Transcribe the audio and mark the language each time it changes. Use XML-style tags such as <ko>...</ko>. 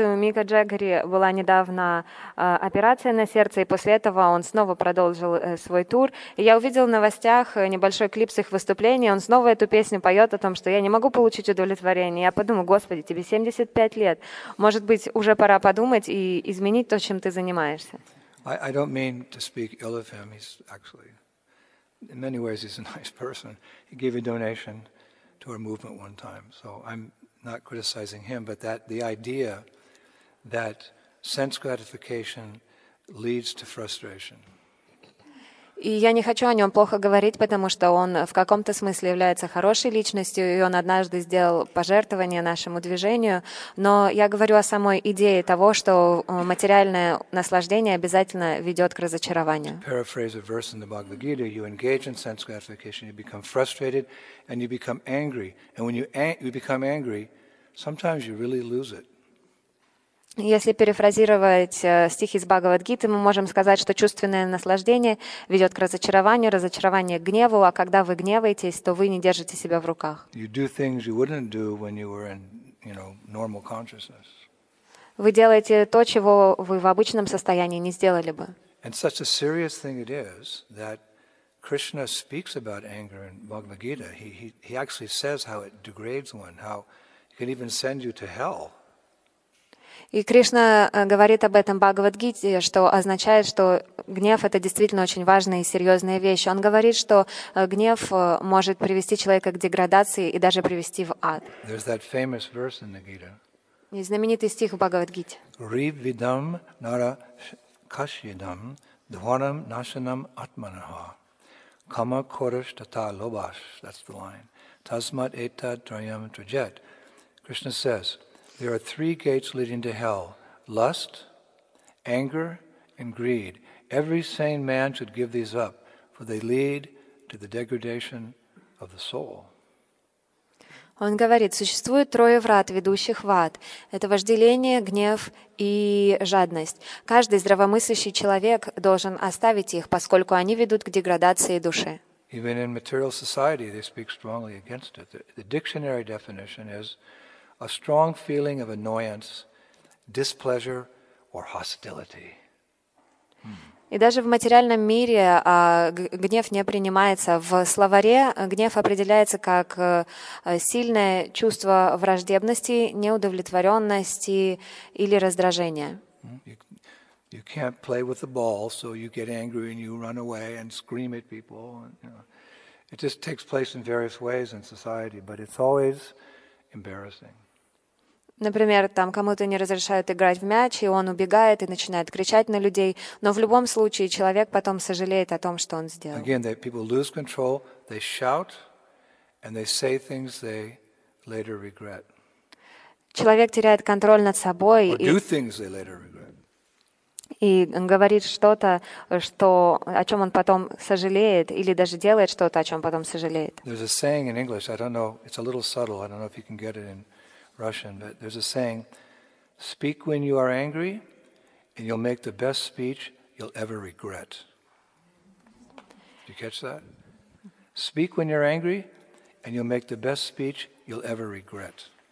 <uk>У Міка Джаггері була недавно операція на серце, і після цього він знову продовжив свій тур. І я побачив на новинах небольшой кліп з їх виступлення, він знову цю пісню поє про те, що я не можу отримати удовлетворення. Я подумав, Господи, тобі 75 лет. Може бути, вже пора подумати і змінити те, чим ти займаєшся.</uk> <en>I don't mean to speak ill of him. He's actually, in many ways, he's a nice person. He gave a donation to our movement one time. So I'm not criticizing him, but that the idea that sense gratification leads to frustration.</en> <ru>И я не хочу о нём плохо говорить, потому что он в каком-то смысле является хорошей личностью, и он однажды сделал пожертвование нашему движению, но я говорю о самой идее того, что материальное наслаждение обязательно ведёт к разочарованию.</ru> <en>To paraphrase a verse in the Bhagavad Gita, you engage in sense gratification, you become frustrated and you become angry. And when you become angry, sometimes you really lose it.</en> <ru>Если перефразировать стихи из Бхагавад-гиты, мы можем сказать, что чувственное наслаждение ведет к разочарованию, разочарование к гневу, а когда вы гневаетесь, то вы не держите себя в руках.</ru> <en>You do things you wouldn't do when you were in, you know, normal consciousness.</en> <ru>Вы делаете то, чего вы в обычном состоянии не сделали бы.</ru> <en>And such a serious thing it is that Krishna speaks about anger in Bhagavad-gita. He actually says how it degrades one, how it can even send you to hell.</en> <ru>И Кришна говорит об этом в Бхагавад-гите, что означает, что гнев — это действительно очень важная и серьезная вещь. Он говорит, что гнев может привести человека к деградации и даже привести в ад.</ru> <en>There's that famous verse in the Gita.</en> <ru>Есть знаменитый стих в Бхагавад-гите.</ru> <sa>Ривидам нара кашидам дхванам нашанам атманаха кама кораш тата лобаш.</sa> <en>That's the line.</en> <sa>Тасмат эта трайам траджет.</sa> <en>Krishna says, there are three gates leading to hell: lust, anger, and greed. Every sane man should give these up, for they lead to the degradation of the soul.</en> <ru>Он говорит, существует трое врат, ведущих в ад. Это вожделение, гнев и жадность. Каждый здравомыслящий человек должен оставить их, поскольку они ведут к деградации души.</ru> <en>Even in material society, they speak strongly against it. The dictionary definition is a strong feeling of annoyance, displeasure, or hostility.</en> <ru>И даже в материальном мире гнев не принимается. В словаре гнев определяется как сильное чувство враждебности, неудовлетворенности или раздражения.</ru> <en>You can't play with the ball, so you get angry and you run away and scream at people. You know, it just takes place in various ways in society, but it's always embarrassing.</en> <ru>Например, там кому-то не разрешают играть в мяч, и он убегает и начинает кричать на людей. Но в любом случае человек потом сожалеет о том, что он сделал.</ru> <en>Again, they, people lose control, they shout, and they say things they later regret.</en> <ru>Человек теряет контроль над собой</ru> <en>or do things they later regret.</en> <ru>И говорит что-то, что, о чем он потом сожалеет, или даже делает что-то, о чем потом сожалеет.</ru> <en>There's a saying in English, I don't know, it's a little subtle, I don't know if you can get it in Russian, but there's a saying, speak when you are angry and you'll make the best speech you'll ever regret. Did you catch that? Speak when you're angry and you'll make the best speech you'll ever regret.</en>